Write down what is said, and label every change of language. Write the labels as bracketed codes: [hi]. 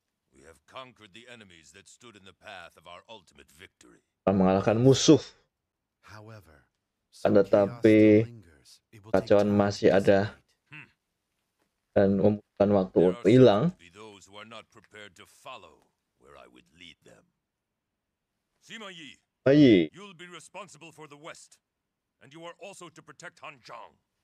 [en] We have conquered the enemies that stood in the path of our ultimate victory. [id] Mengalahkan musuh. [en] However, [id] tetapi kacauan masih ada dan membutuhkan waktu untuk hilang. [en] Those who are not prepared to follow where I would lead them. Sima Yi, Ayi. You'll be responsible for the West, and you are also to protect Han Zhang.